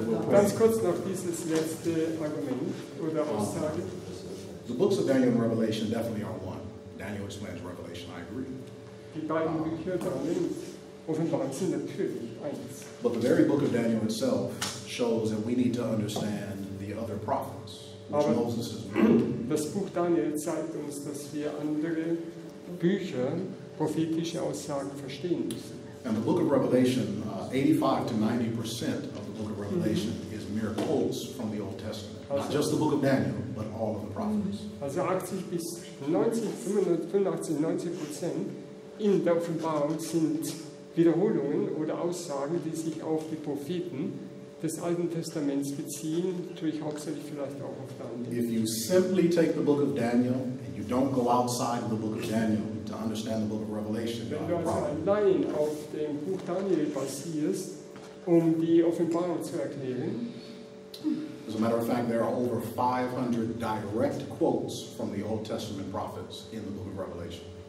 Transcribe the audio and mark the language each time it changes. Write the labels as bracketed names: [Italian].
[German] Ganz kurz noch dieses letzte Argument oder Aussage. [English] The books of Daniel and Revelation definitely are one. Daniel explains Revelation, I agree. [German] Die beiden Bücher Daniel und Offenbarung sind natürlich eins. [English] But the very book of Daniel itself shows that we need to understand the other prophets, which [German] aber [English] Moses has [German] written. Das Buch Daniel zeigt uns, dass wir andere Bücher, prophetische Aussagen verstehen müssen. [English] And the book of Revelation, 85 to 90% of the book of Revelation is mere quotes from the Old Testament. Also, not just the book of Daniel, but all of the prophets. [German] Also 85 to 90% in der Offenbarung sind Wiederholungen oder Aussagen, die sich auf die Propheten des Alten Testaments beziehen, natürlich hauptsächlich vielleicht auch auf Daniel. [English] If you simply take the book of Daniel and you don't go outside the book of Daniel to understand the book of Revelation, [German] wenn du also allein auf dem Buch Daniel basierst, um die Offenbarung zu erklären. [English] As a matter of fact, there are over 500 direct quotes from the Old Testament prophets in the book of Revelation.